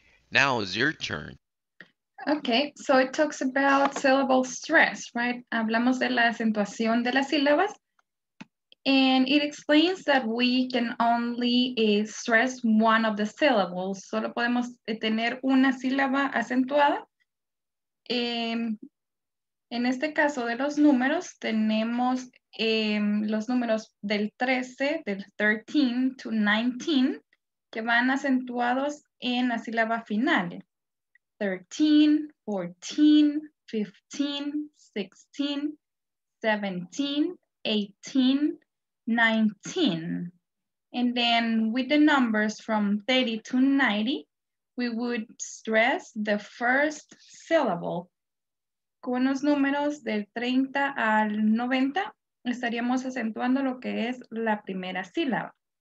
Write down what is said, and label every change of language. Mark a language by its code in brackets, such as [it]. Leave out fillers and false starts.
[en] Now is your turn. Okay, so it talks about syllable stress, right? [es] Hablamos de la acentuación de las sílabas. [en] And it explains that we can only stress one of the syllables. [es] Solo podemos tener una sílaba acentuada. En este caso de los números, tenemos los números del 13, del 13 to 19, que van acentuados en la sílaba final. 13, 14, 15, 16, 17, 18, 19. [en] And then with the numbers from 30 to 90, we would stress the first syllable. [es] Con los números del 30 al 90, estaríamos acentuando lo que es la primera sílaba.